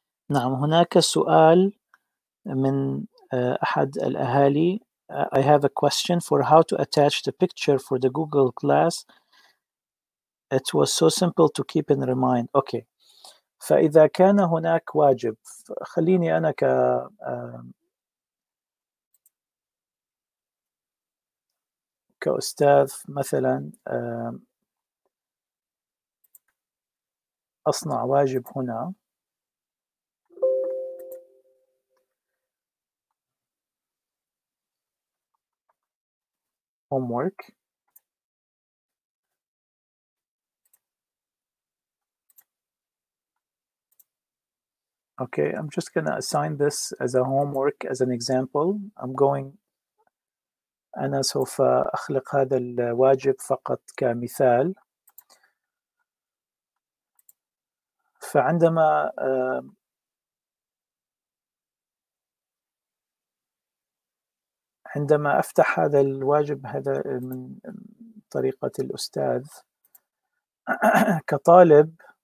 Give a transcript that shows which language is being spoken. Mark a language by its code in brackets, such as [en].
[ar] نعم هناك سؤال من أحد الأهالي [en] I have a question for how to attach the picture for the Google Class. It was so simple to keep in mind. Okay. [ar] فإذا كان هناك واجب خليني أنا كأستاذ مثلا أصنع واجب هنا. [en] Homework. Okay, I'm just going to assign this as a homework as an example. I'm going [ar] أنا سوف أخلق هذا الواجب فقط كمثال. فعندما عندما أفتح هذا الواجب هذا من طريقة الأستاذ كطالب